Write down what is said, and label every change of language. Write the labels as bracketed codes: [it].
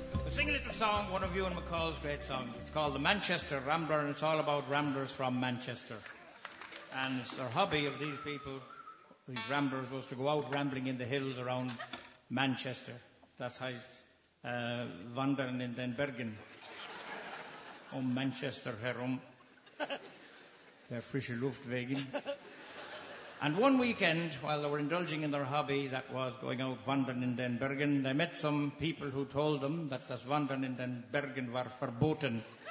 [en] Sing a little song, one of you and McCall's great songs. It's called The Manchester Rambler, and it's all about ramblers from Manchester. And it's the hobby of these people, these ramblers, was to go out rambling in the hills around Manchester. [de] Das heißt, wandern in den Bergen, Manchester herum, der frische Luft wegen. [en] And one weekend, while they were indulging in their hobby, that was going out [de] wandern in den Bergen, [en] they met some people who told them that [de] das wandern in den Bergen war verboten.